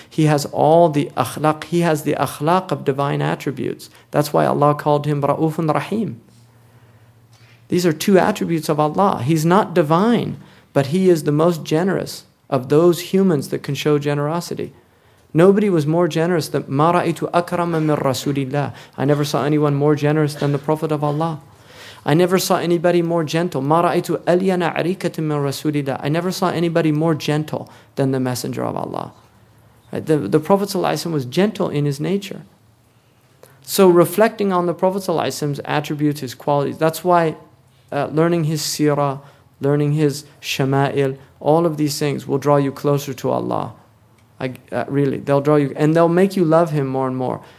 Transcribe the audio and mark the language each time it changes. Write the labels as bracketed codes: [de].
[en] He has all the akhlaq. He has the akhlaq of divine attributes. That's why Allah called Him Ra'ufun Rahim. These are two attributes of Allah. He's not divine, but He is the most generous of those humans that can show generosity. Nobody was more generous than [ar] مَا رَأَيْتُ أَكْرَمَ مِنْ رَسُولِ اللَّهِ. [en] I never saw anyone more generous than the Prophet of Allah. I never saw anybody more gentle. [ar] مَا رَأَيْتُ أَلْيَنَ عَرِيكَةٍ مِنْ رَسُولِ اللَّهِ. [en] I never saw anybody more gentle than the Messenger of Allah. Right? The Prophet ﷺ was gentle in his nature. So reflecting on the Prophet ﷺ's attributes, his qualities, that's why learning his seerah, learning his shama'il, all of these things will draw you closer to Allah. Really, they'll draw you, and they'll make you love Him more and more.